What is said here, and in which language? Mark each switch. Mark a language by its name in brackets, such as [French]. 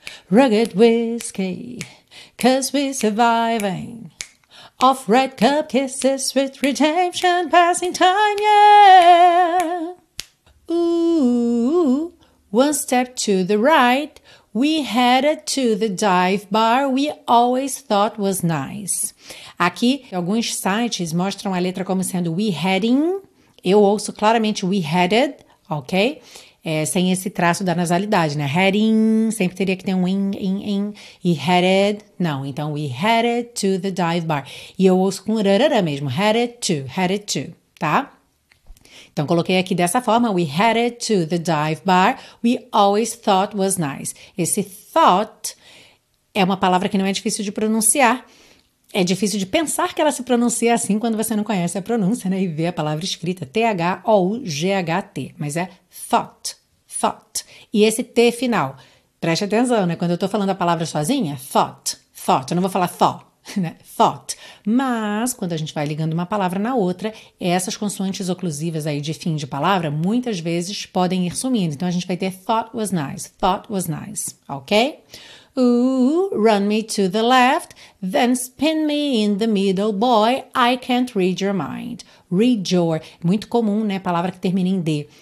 [English] Rugged whiskey. Cause we're surviving. Off red cup kisses with redemption. Passing time, yeah. Ooh. One step to the right. We headed to the dive bar we always thought was nice. [Portuguese] Aqui, alguns sites mostram a letra como sendo [English] we heading. [Portuguese] Eu ouço claramente [English] we headed, [Portuguese] ok? Sem esse traço da nasalidade, né? Heading, sempre teria que ter um in. E headed, não. Então, [English] we headed to the dive bar. [Portuguese] E eu ouço com rarara mesmo. [English] Headed to, [Portuguese] tá? Então, coloquei aqui dessa forma, [English] we headed to the dive bar, we always thought was nice. [Portuguese] Esse thought é uma palavra que não é difícil de pronunciar. É difícil de pensar que ela se pronuncia assim quando você não conhece a pronúncia, né? E vê a palavra escrita, T-H-O-U-G-H-T, mas é thought, thought. E esse T final, preste atenção, né? Quando eu tô falando a palavra sozinha, thought, thought, eu não vou falar thought. Thought. Mas, quando a gente vai ligando uma palavra na outra, essas consoantes oclusivas aí de fim de palavra, muitas vezes podem ir sumindo. Então, a gente vai ter [English] thought was nice, [Portuguese] ok? [English] Ooh, run me to the left, then spin me in the middle, boy, I can't read your mind. Read your, [Portuguese] muito comum, né, palavra que termina em D.